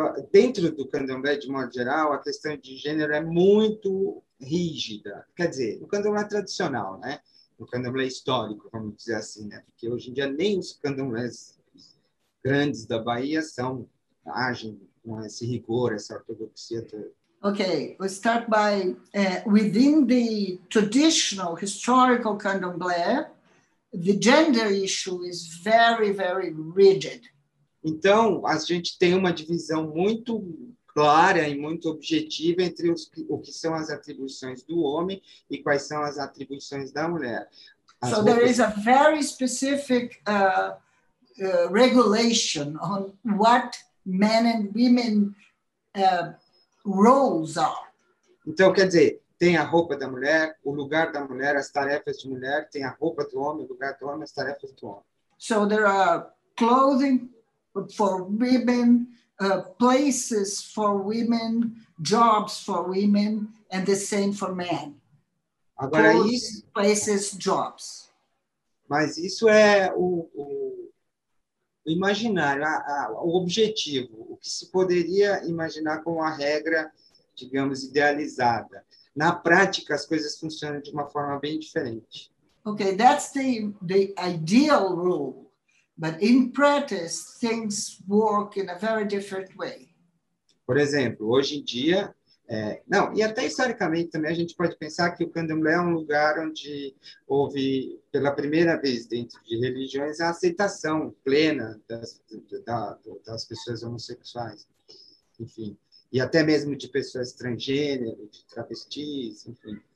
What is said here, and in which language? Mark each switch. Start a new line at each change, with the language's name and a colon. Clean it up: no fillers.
Portuguese: Dentro do candomblé, de modo geral, a questão de gênero é muito rígida. Quer dizer, no candomblé tradicional, né? No candomblé histórico, vamos dizer assim, né? Porque hoje em dia nem os candomblés grandes da Bahia agem com esse rigor, essa ortodoxia toda.
English: Okay, we'll start by within the traditional historical candomblé, the gender issue is very, very rigid.
Portuguese: Então, a gente tem uma divisão muito clara e muito objetiva entre o que são as atribuições do homem e quais são as atribuições da mulher.
English: So there is a very specific regulation on what men and women roles are.
Portuguese: Então, quer dizer, tem a roupa da mulher, o lugar da mulher, as tarefas de mulher, tem a roupa do homem, o lugar do homem, as tarefas do homem.
English: So there are clothing for women, places for women, jobs for women, and the same for men.
Portuguese: Agora, clothes, isso,
English: places, jobs.
Portuguese: Mas isso é o imaginário, o objetivo, o que se poderia imaginar como a regra, digamos, idealizada. Na prática, as coisas funcionam de uma forma bem diferente.
English: Okay, that's the ideal rule. But in practice, things work in a very different way.
Portuguese: Por exemplo, hoje em dia, não, e até historicamente também a gente pode pensar que o candomblé é um lugar onde houve, pela primeira vez dentro de religiões, a aceitação plena das pessoas homossexuais, enfim, e até mesmo de pessoas transgênero, de travestis, enfim.